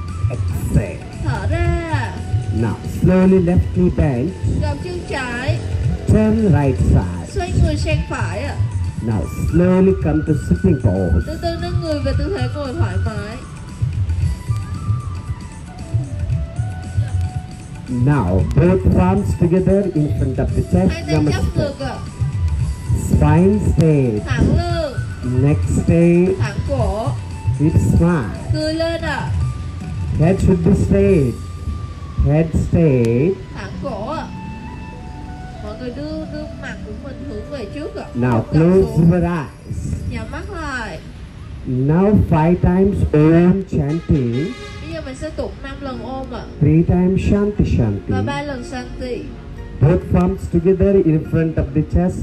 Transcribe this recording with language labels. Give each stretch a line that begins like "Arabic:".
English: Exhale.
Vietnamese: Thở ra.
English: Now slowly left knee bent.
Vietnamese: Gập chân trái.
English: Turn right side.
Vietnamese: Xoay người sang phải ạ.
English: Now slowly come to sitting pose.
Vietnamese: Từ từ nâng người về tư thế ngồi thoải mái.
English: Now both palms together in front of the chest.
Vietnamese: Hai tay chắp ngực ạ.
English: Spine straight.
Vietnamese: Thẳng lưng.
English: Neck straight.
Vietnamese: Thẳng cổ.
English: Hip smile.
Vietnamese: Cười lên ạ.
English: Head should be straight. Head stay.
Vietnamese: Thẳng cổ. Mọi người đưa mặt của mình hướng về trước ạ.
English: Now close your eyes.
Vietnamese: Nhắm mắt lại.
English: Now five times om chanting.
Vietnamese: Bây giờ mình sẽ tụng 5 lần om ạ.
English: Three times shanti shanti.
Vietnamese: Và 3 lần shanti.
English: Both palms together in front of the chest.